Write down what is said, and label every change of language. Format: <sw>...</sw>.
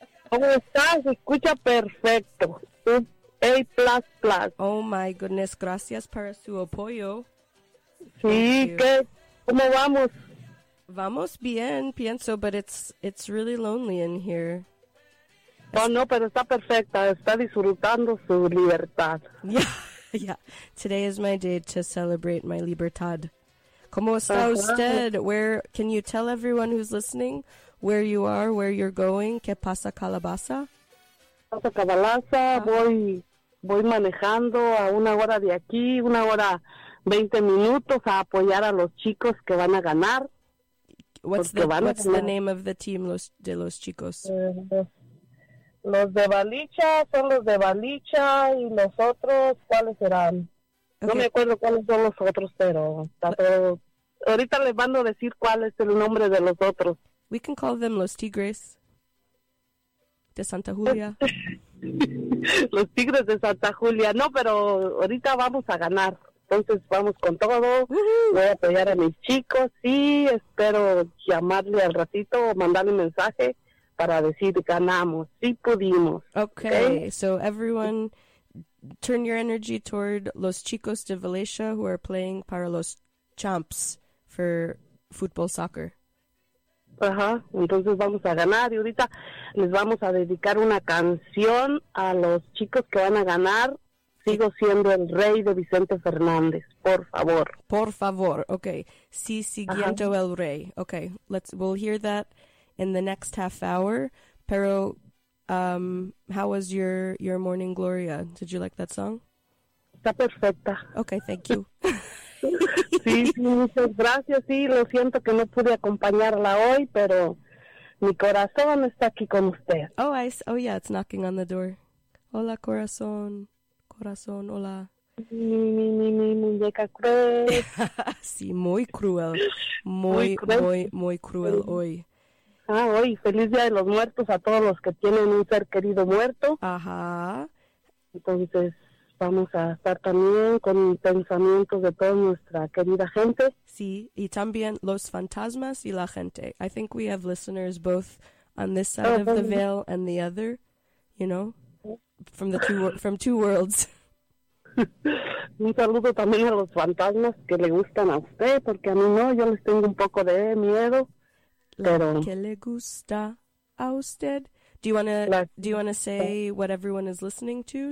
<es>¿Cómo estás? Se escucha perfecto. A++.</es> <en>Oh, my goodness.</en> <es>Gracias para su apoyo. Sí, ¿qué? ¿Cómo vamos? Vamos bien, pienso,</es> <en>but it's really lonely in here.</en> <es>No, pero está perfecta, está disfrutando su libertad.</es> <en>Yeah. Yeah. Today is my day to celebrate my libertad.</en> <es>¿Cómo está usted?</es> <en>Where can you tell everyone who's listening where you are, where you're going?</en> <es>¿Qué pasa, calabaza? Pasa calabaza. Voy manejando a una hora de aquí, una hora 20 minutos a apoyar a los chicos que van a ganar.</es> <en>What's the name of the team,</en> <es>los chicos? Los de Balicha son los de Balicha, y los otros, ¿cuáles serán? Okay. No me acuerdo cuáles son los otros, pero ahorita les van a decir cuál es el nombre de los otros.</es> <en>We can call them los Tigres de Santa Julia.</en> <es>Los Tigres de Santa Julia. No, pero ahorita vamos a ganar. Entonces vamos con todo, voy a apoyar a mis chicos y espero llamarle al ratito o mandarle un mensaje para decir ganamos, sí pudimos.</es> <en>Okay, so everyone, turn your energy toward los chicos de Valencia who are playing</en> <es>para los</es> <en>champs for football soccer.</en> <es>Ajá, entonces vamos a ganar y ahorita les vamos a dedicar una canción a los chicos que van a ganar. Sigo siendo el rey de Vicente Fernández, por favor. Por favor, okay. Sí, siguiendo el rey.</es> <en>Okay, we'll hear that in the next half hour. Pero, how was your morning, Gloria? Did you like that song?</en> <es>Está perfecta.</es> <en>Okay, thank you.</en> <es>Sí, muchas gracias. Sí, lo siento que no pude acompañarla hoy, pero mi corazón está aquí con usted.</es> <en>Oh yeah, it's knocking on the door.</en> <es>Hola, corazón. Corazón, hola. Mi muñeca cruel. Sí, muy cruel. Muy cruel hoy. Ah, hoy. Feliz Día de los Muertos a todos los que tienen un ser querido muerto. Ajá. Entonces, vamos a estar también con pensamientos de toda nuestra querida gente. Sí, y también los fantasmas y la gente.</es> <en>I think we have listeners both on this side of the veil and the other, you know? From two worlds.</en> <es>Un saludo también a los fantasmas que le gustan a usted, porque a mí no, yo les tengo un poco de miedo. Pero ¿qué le gusta a usted?</es> <en>Do you wanna say what everyone is listening to?</en>